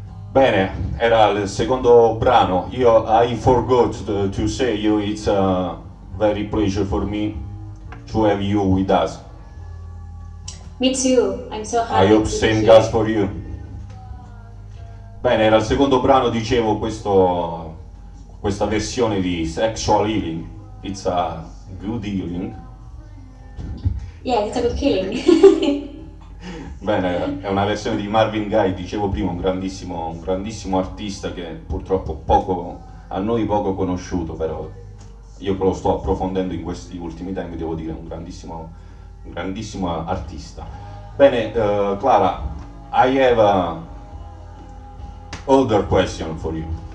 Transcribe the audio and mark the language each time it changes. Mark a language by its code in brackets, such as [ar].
[it] Bene, era il secondo brano. [en] Io I forgot to say you, it's a very pleasure for me to have you with us. Me too, I'm so happy. I hope same goes for you. [it] Bene, era il secondo brano, dicevo, questa versione di Sexual Healing. [en] It's a good healing. Yeah, it's a good healing. [it] Bene, è una versione di Marvin Gaye, dicevo prima, un grandissimo artista che purtroppo poco conosciuto, però io lo sto approfondendo in questi ultimi tempi, devo dire, un grandissimo artista. [en] Bene, Clara, I have another question for you.